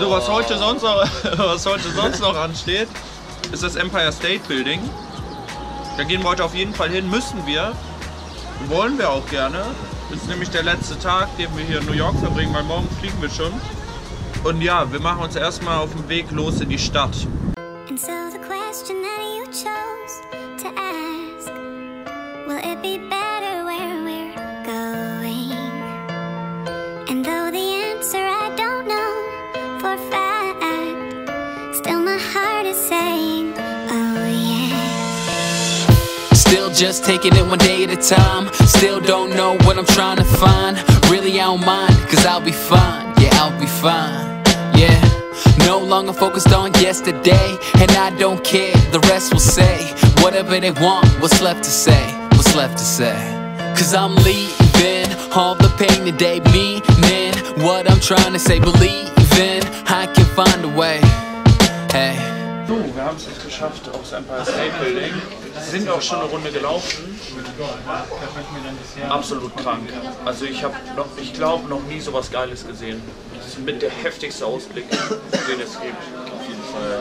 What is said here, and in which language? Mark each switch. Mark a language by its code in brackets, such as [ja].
[de] So, was heute sonst noch, was heute sonst noch ansteht, ist das Empire State Building. Da gehen wir heute auf jeden Fall hin. Müssen wir. Wollen wir auch gerne. Das ist nämlich der letzte Tag, den wir hier in New York verbringen, weil morgen fliegen wir schon. Und ja, wir machen uns erstmal auf den Weg los in die Stadt. [en] And so the question that you chose to ask, will it be better where we're going? And though the answer I don't know for fact, still my heart is saying, oh yeah. Still just taking it one day at a time. Still don't know what I'm trying to find. Really I don't mind, cause I'll be fine. Yeah, I'll be fine. Yeah, no longer focused on yesterday. And I don't care, the rest will say whatever they want, what's left to say. What's left to say. Cause I'm leaving all the pain today. Meaning what I'm trying to say. Believing I can find a way. Hey. [de] So, wir haben es jetzt geschafft aufs Empire State Building. Sind auch schon eine Runde gelaufen. Absolut krank. Also ich glaube noch nie sowas Geiles gesehen. Das ist mit der heftigste Ausblick, den es gibt. Auf jeden Fall.